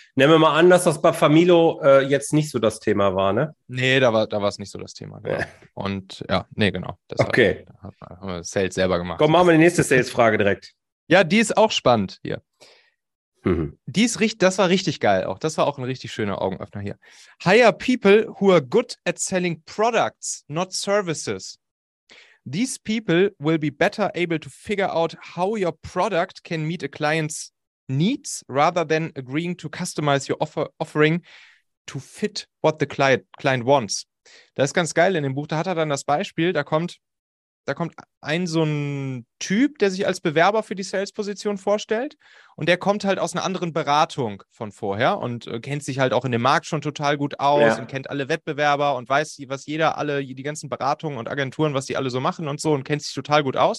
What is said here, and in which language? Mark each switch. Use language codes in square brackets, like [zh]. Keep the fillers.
[de] Nehmen wir mal an, dass das bei Familo äh, jetzt nicht so das Thema war, ne? Nee, da war, da war es nicht so das Thema. Genau. Und ja, nee, genau. Deshalb Okay. hat- haben wir Sales selber gemacht. Komm, machen wir die nächste Sales-Frage direkt. Ja, die ist auch spannend hier. Mhm. Dies riecht, das war richtig geil auch. Das war auch ein richtig schöner Augenöffner hier. [en] Hire people who are good at selling products, not services. These people will be better able to figure out how your product can meet a client's needs rather than agreeing to customize your offer, offering to fit what the client, client wants. [de] Das ist ganz geil in dem Buch. Da hat er dann das Beispiel, da kommt, da kommt ein so ein Typ, der sich als Bewerber für die Sales-Position vorstellt. Und der kommt halt aus einer anderen Beratung von vorher und äh, kennt sich halt auch in dem Markt schon total gut aus Ja. und kennt alle Wettbewerber und weiß, was jeder, alle, die ganzen Beratungen und Agenturen, was die alle so machen und so und kennt sich total gut aus.